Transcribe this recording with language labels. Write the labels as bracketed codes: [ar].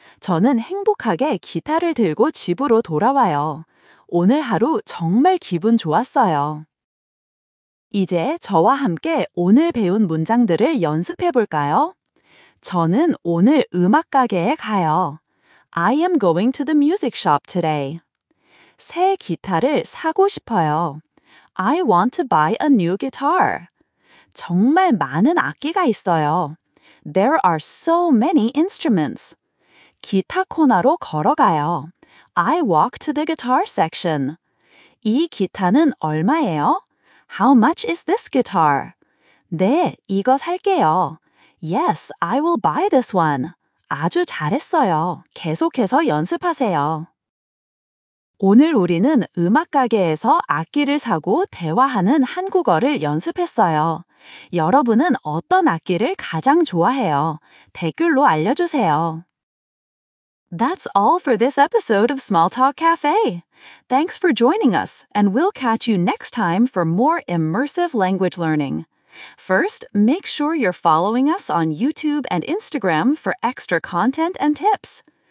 [ko] 저는 행복하게 기타를 들고 집으로 돌아와요. 오늘 하루 정말 기분 좋았어요. 이제 저와 함께 오늘 배운 문장들을 연습해 볼까요? 저는 오늘 음악 가게에 가요. [en] I am going to the music shop today. [ko] 새 기타를 사고 싶어요. [en] I want to buy a new guitar. [ko] 정말 많은 악기가 있어요. [en] There are so many instruments. [ko] 기타 코너로 걸어가요. [en] I walk to the guitar section. [ko] 이 기타는 얼마예요? [en] How much is this guitar? [ko] 네, 이거 살게요. [en] Yes, I will buy this one. [ko] 아주 잘했어요. 계속해서 연습하세요. 오늘 우리는 음악 가게에서 악기를 사고 대화하는 한국어를 연습했어요. 여러분은 어떤 악기를 가장 좋아해요? 댓글로 알려주세요. [en] That's all for this episode of Small Talk Cafe. Thanks for joining us, and we'll catch you next time for more immersive language learning. First, make sure you're following us on YouTube and Instagram for extra content and tips.